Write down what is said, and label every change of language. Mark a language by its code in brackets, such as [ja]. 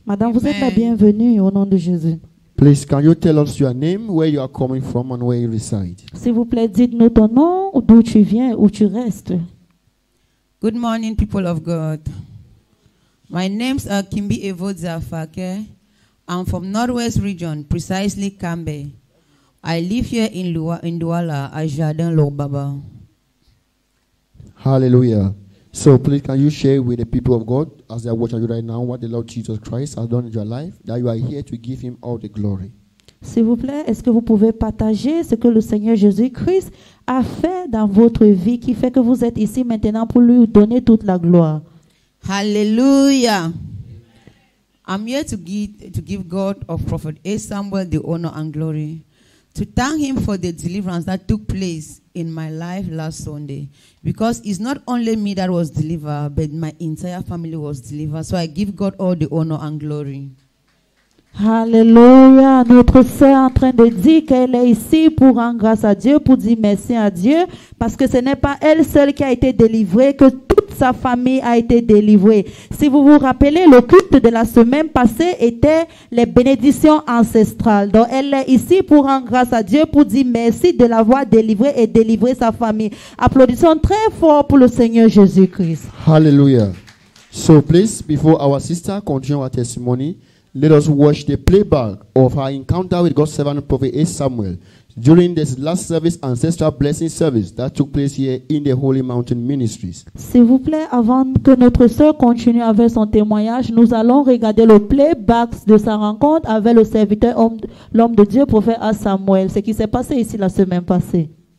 [fr] Madame, amen. Vous êtes la bienvenue au nom de Jésus. [en] Please, can you tell us your name, where you are coming from, and where you reside? [fr] S'il vous plaît, dites-nous ton nom, d'où tu viens, où tu restes. [en] Good morning, people of God. My name's Kimbi Evo Zafake. I'm from Northwest Region, precisely Kambe. I live here in Douala, Ajadin Lobaba. Hallelujah. So please, can you share with the people of God, as they are watching you right now, what the Lord Jesus Christ has done in your life, that you are here to give him all the glory. S'il vous plaît, est-ce que vous pouvez partager ce que le Seigneur Jésus-Christ a fait dans votre vie, qui fait que vous êtes ici maintenant pour lui donner toute la gloire? Hallelujah. I'm here to give God of prophet A. Samuel the honor and glory, to thank him for the deliverance that took place in my life last Sunday. Because it's not only me that was delivered, but my entire family was delivered. So I give God all the honor and glory. Hallelujah. [fr] Notre sœur en train de dire qu'elle est ici pour rendre grâce à Dieu, pour dire merci à Dieu, parce que ce n'est pas elle seule qui a été délivrée, que toute sa famille a été délivrée. Si vous vous rappelez, le culte de la semaine passée était les bénédictions ancestrales. Donc elle est ici pour rendre grâce à Dieu, pour dire merci de l'avoir délivrée et délivrer sa famille. Applaudissons très fort pour le Seigneur Jésus-Christ. [en] Hallelujah. So please, before our sister continue her testimony, let us watch the playback of our encounter with God's servant prophet A. Samuel during this last service, ancestral blessing service that took place here in the Holy Mountain Ministries. [fr] S'il vous plaît, avant que notre sœur continue avec son témoignage, nous allons regarder le playback de sa rencontre avec le serviteur l'homme de Dieu prophète A. Samuel, ce qui s'est passé ici la semaine passée.